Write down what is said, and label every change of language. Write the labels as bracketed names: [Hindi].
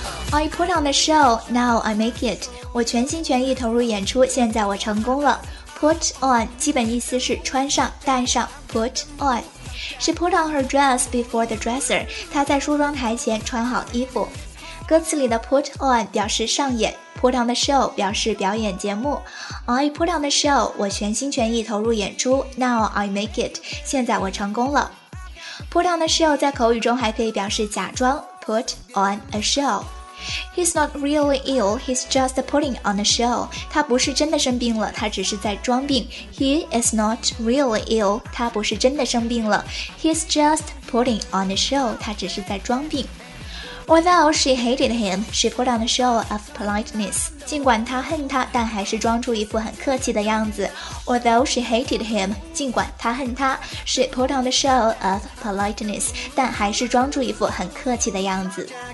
[English] I put on the show, now I make it [Chinese] 我全心全意投入演出现在我成功了 [English] Put on [Chinese] 基本意思是穿上戴上 [English] Put onShe put on her dress before the dresser. [Chinese] 她在梳妆台前穿好衣服。歌词里的 put on 表示上演 ，put on the show 表示表演节目。 [English] I put on the show. [Chinese] 我全心全意投入演出。 [English] Now I make it. [Chinese] 现在我成功了。 Put on the show 在口语中还可以表示假装 ，put on a show. [English] He's not really ill, he's just putting on a show. [Chinese] 他不是真的生病了，他只是在装病。 [English] He is not really ill, [Chinese] 他不是真的生病了。 [English] He's just putting on a show, [Chinese] 他只是在装病。 [English] Although she hated him, she put on a show of politeness. [Chinese] 尽管她恨他，但还是装出一副很客气的样子。 [English] Although she hated him, [Chinese] 尽管她恨他， [English] she put on a show of politeness, [Chinese] 但还是装出一副很客气的样子。